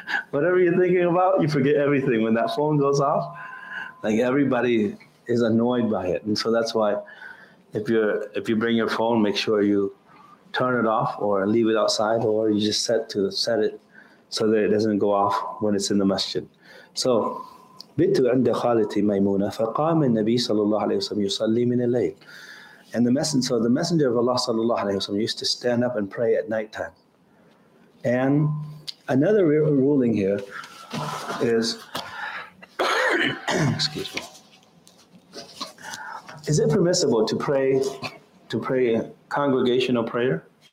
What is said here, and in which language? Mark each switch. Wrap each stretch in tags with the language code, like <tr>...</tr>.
<en>Whatever you're thinking about, you forget everything. When that phone goes off, like everybody is annoyed by it. And so that's why if you bring your phone, make sure you turn it off or leave it outside, or you just set it so that it doesn't go off when it's in the masjid.</en> <ar>So, بيت عند خالتي ميمونة فقام النبي صلى الله عليه وسلم يصلي من الليل.</ar> <en>And the messenger of Allah صلى الله عليه وسلم used to stand up and pray at night time. And another ruling here is, excuse me, is it permissible to pray a congregational prayer?</en>